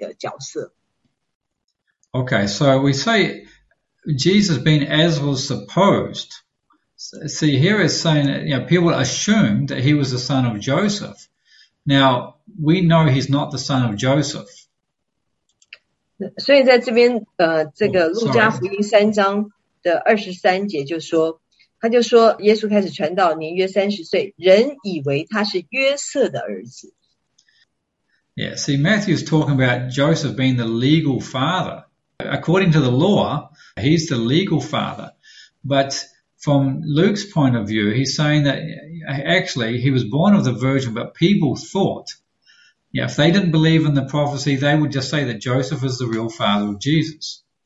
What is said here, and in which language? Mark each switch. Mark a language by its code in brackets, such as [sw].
[zh] 所以呢，在这样的情况下，他路加所谈到的耶稣呢，就会从玛利亚的角度来写，啊，因为玛利亚是真正提供了耶稣人类基因的这个角色。Okay, [en] so we say Jesus being as was supposed. See, here is saying that people assumed that he was the son of Joseph. Now, we know he's not the son of Joseph. [zh] 所以在这边，这个路加福音三章的23节就说，他就说耶稣开始传道，年约30岁，人以为他是约瑟的儿子。 [en] Yeah, see, Matthew's talking about Joseph being the legal father. According to the law, he's the legal father. But from Luke's point of view, he's saying that actually he was born of the virgin, but people thought, if they didn't believe in the prophecy, they would just say that Joseph is the real father of Jesus.